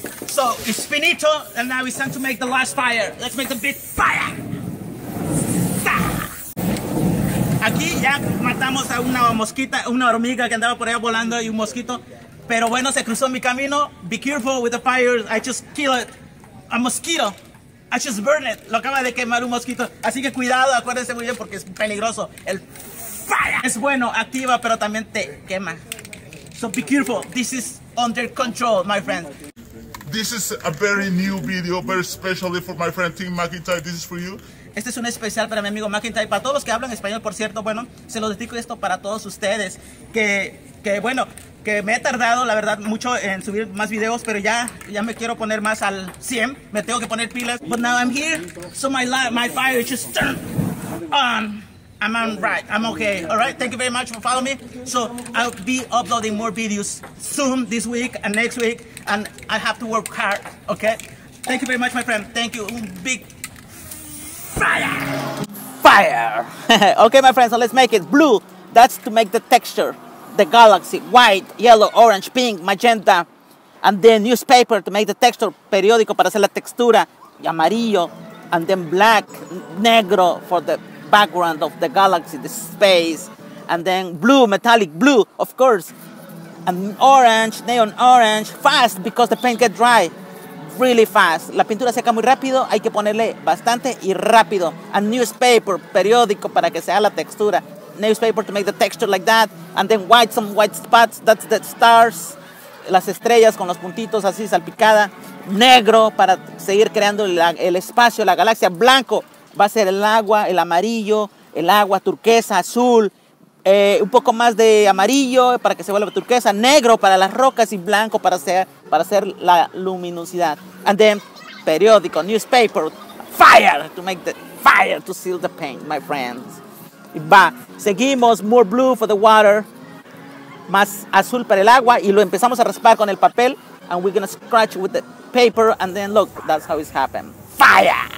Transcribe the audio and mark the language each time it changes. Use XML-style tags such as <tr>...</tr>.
<en>So it's finito, and now it's time to make the last fire. Let's make the big fire.</en> <es>Aquí ya matamos a una mosquita, una hormiga que andaba por allá volando y un mosquito. Pero bueno, se cruzó mi camino.</es> <en>Be careful with the fire. I just killed it. A mosquito. I just burned it.</en> <es>Lo acaba de quemar un mosquito. Así que cuidado, acuérdense muy bien porque es peligroso. El fire es bueno, activa, pero también te quema.</es> <en>So be careful. This is under control, my friend. This is a very new video, very specially for my friend Tim McIntyre. This is for you.</en> <es>Este es un especial para mi amigo McIntyre. Para todos los que hablan español, por cierto, bueno, se lo dedico esto para todos ustedes. Que bueno, que me he tardado, la verdad, mucho en subir más videos, pero ya me quiero poner más al 100. Me tengo que poner pilas.</es> <en>But now I'm here, so my fire is just turned on. I'm on right, I'm okay, all right? Thank you very much for following me. So I'll be uploading more videos soon this week and next week, and I have to work hard, okay? Thank you very much, my friend. Thank you, big fire! Okay, my friends, so let's make it blue. That's to make the texture, the galaxy, white, yellow, orange, pink, magenta, and then newspaper to make the texture,</en> <es>periódico para hacer la textura, y amarillo,</es> <en>and then black, negro for the background of the galaxy, the space, and then blue, metallic blue, of course, and orange, neon orange, fast because the paint gets dry. Really fast.</en> <es>La pintura seca muy rápido, hay que ponerle bastante y rápido.</es> <en>A newspaper,</en> <es>periódico, para que sea la textura.</es> <en>Newspaper to make the texture like that. And then white, some white spots, that's the stars.</en> <es>Las estrellas con los puntitos así salpicada. Negro, para seguir creando el espacio, la galaxia. Blanco, va a ser el agua, el amarillo, el agua turquesa, azul. Un poco más de amarillo para que se vuelva turquesa, negro para las rocas y blanco para hacer la luminosidad.</es> <en>And then, periódico, newspaper, fire, to make the fire, to seal the paint, my friends.</en> <es>Y va, seguimos,</es> <en>more blue for the water,</en> <es>más azul para el agua, y lo empezamos a raspar con el papel,</es> <en>and we're gonna scratch with the paper, and then look, that's how it's happened. Fire!</en>